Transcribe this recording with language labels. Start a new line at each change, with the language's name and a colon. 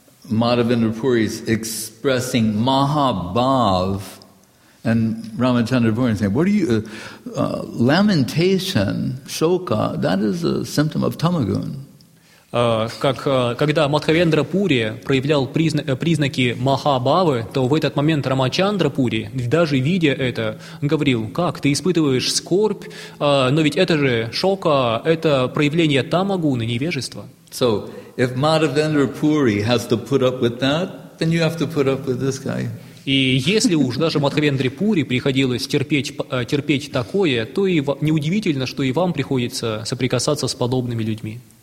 English: Мадхавендрапури is expressing Mahabhav, and Ramachandrapuri saying, "What are you? Lamentation, shoka, that is a symptom of tamagun."
Russian: Когда Мадхавендрапури проявлял признаки Махабавы, то в этот момент Рамачандрапури, даже видя это, говорил, как, ты испытываешь скорбь, но ведь это же шока, это проявление тамагуны, невежества.
English: So, if Мадхавендрапури has to put up with that, then you have to put up with this guy.
Russian: И если уж даже Мадхавендре Пури приходилось терпеть такое, то и неудивительно, что и вам приходится соприкасаться с подобными людьми.